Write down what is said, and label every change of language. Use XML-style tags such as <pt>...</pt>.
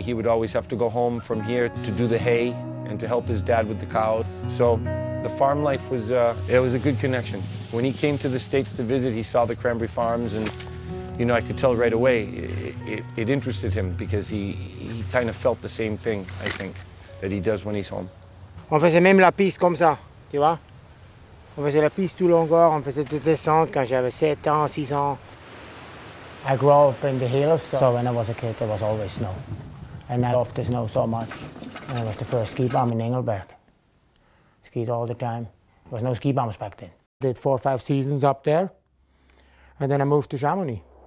<en>He would always have to go home from here to do the hay and to help his dad with the cows. So the farm life was, it was a good connection. When he came to the States to visit, he saw the cranberry farms, and you know, I could tell right away it interested him, because he kind of felt the same thing, I think, that he does when he's home.</en> <fr>On faisait même la piste comme ça, tu vois? On faisait la piste tout longueur, on faisait toutes les centres quand j'avais 7 ans, 6 ans.</fr> <en>I grew up in the hills, so when I was a kid, there was always snow. And I loved the snow so much. And I was the first ski bum in Engelberg. Skied all the time. There was no ski bums back then. Did 4 or 5 seasons up there, and then I moved to Chamonix.</en>